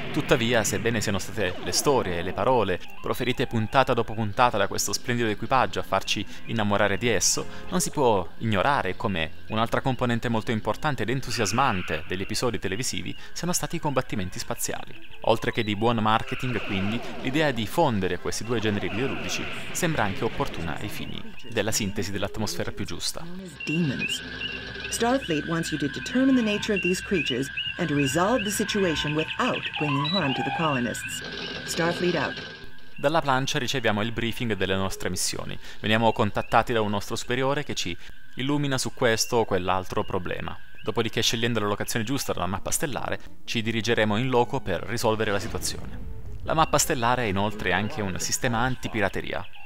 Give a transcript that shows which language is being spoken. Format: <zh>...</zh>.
<it>Tuttavia, sebbene siano state le storie e le parole proferite puntata dopo puntata da questo splendido equipaggio a farci innamorare di esso, non si può ignorare come un'altra componente molto importante ed entusiasmante degli episodi televisivi siano stati i combattimenti spaziali. Oltre che di buon marketing, quindi, l'idea di fondere questi due generi videoludici sembra anche opportuna ai fini della sintesi dell'atmosfera più giusta.</it> <en>Starfleet wants you to determine the nature of these creatures and to resolve the situation without bringing harm to the colonists. Starfleet out.</en> <it>Dalla plancia riceviamo il briefing delle nostre missioni. Veniamo contattati da un nostro superiore che ci illumina su questo o quell'altro problema. Dopodiché, scegliendo la locazione giusta dalla mappa stellare, ci dirigeremo in loco per risolvere la situazione. La mappa stellare è inoltre anche un sistema antipirateria.</it>